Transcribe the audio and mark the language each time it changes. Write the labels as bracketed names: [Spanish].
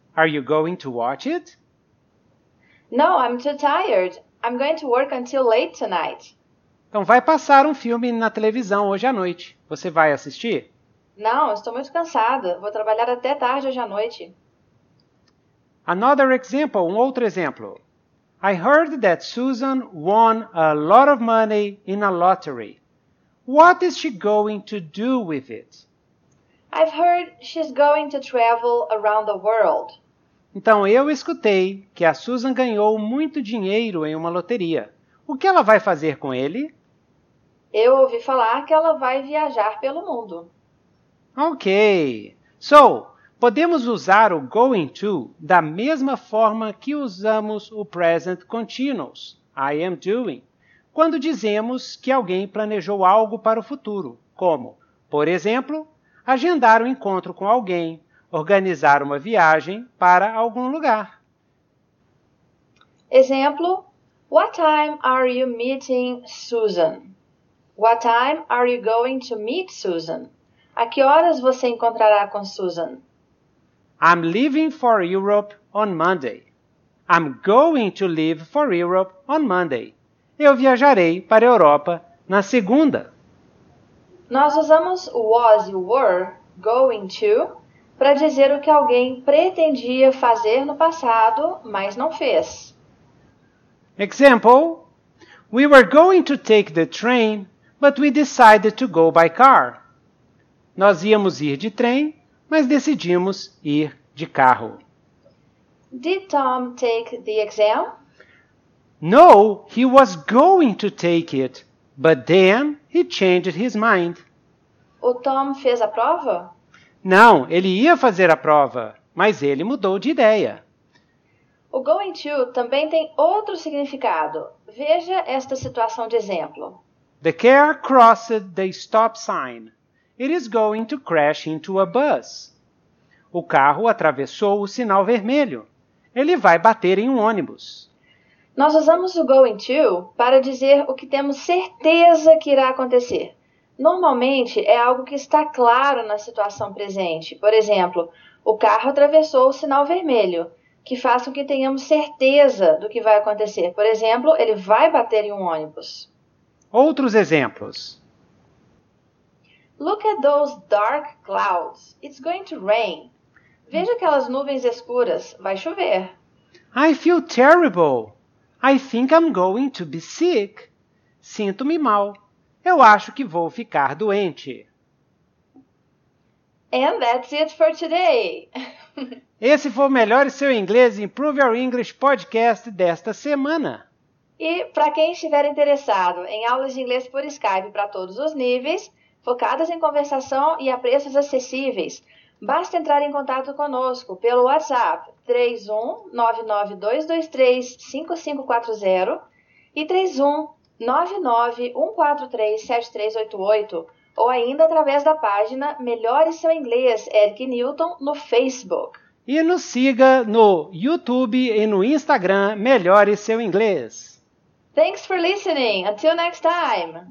[English] Are you going to watch it? No, I'm too tired. I'm going to work until late tonight. [Portuguese] Então vai passar um filme na televisão hoje à noite. Você vai assistir? Não, estou muito cansada. Vou trabalhar até tarde hoje à noite. [English] Another example, [Portuguese] um outro exemplo. [English] I heard that Susan won a lot of money in a lottery. What is she going to do with it? I've heard she's going to travel around the world. [Portuguese] Então eu escutei que a Susan ganhou muito dinheiro em uma loteria. O que ela vai fazer com ele? Eu ouvi falar que ela vai viajar pelo mundo. Ok. So, podemos usar o going to da mesma forma que usamos o present continuous, [English] I am doing, [Portuguese] quando dizemos que alguém planejou algo para o futuro, como, por exemplo, agendar um encontro com alguém, organizar uma viagem para algum lugar. [English] Exemplo: What time are you meeting Susan? What time are you going to meet Susan? [Portuguese] A que horas você encontrará com Susan? [English] I'm leaving for Europe on Monday. I'm going to leave for Europe on Monday. [Portuguese] Eu viajarei para a Europa na segunda. Nós usamos o was e o were going to para dizer o que alguém pretendia fazer no passado, mas não fez. [English] Example: We were going to take the train, but we decided to go by car. [Portuguese] Nós íamos ir de trem, mas decidimos ir de carro. [English] Did Tom take the exam? No, he was going to take it, but then he changed his mind. [Portuguese] O Tom fez a prova? Não, ele ia fazer a prova, mas ele mudou de ideia. O going to também tem outro significado. Veja esta situação de exemplo. [English] The car crossed the stop sign. It is going to crash into a bus. [Portuguese] O carro atravessou o sinal vermelho. Ele vai bater em um ônibus. Nós usamos o going to para dizer o que temos certeza que irá acontecer. Normalmente é algo que está claro na situação presente. Por exemplo, o carro atravessou o sinal vermelho, que faz com que tenhamos certeza do que vai acontecer. Por exemplo, ele vai bater em um ônibus. Outros exemplos. [English] Look at those dark clouds. It's going to rain. [Portuguese] Veja aquelas nuvens escuras. Vai chover. [English] I feel terrible. I think I'm going to be sick. [Portuguese] Sinto-me mal. Eu acho que vou ficar doente. [English] And that's it for today. [Portuguese] Esse foi o Melhore Seu Inglês Improve Your English Podcast desta semana. E para quem estiver interessado em aulas de inglês por Skype para todos os níveis, focadas em conversação e a preços acessíveis, basta entrar em contato conosco pelo WhatsApp 31992235540 e 31991437388. Ou ainda através da página Melhore Seu Inglês, Eric Newton, no Facebook. E nos siga no YouTube e no Instagram, Melhore Seu Inglês. [English] Thanks for listening. Until next time.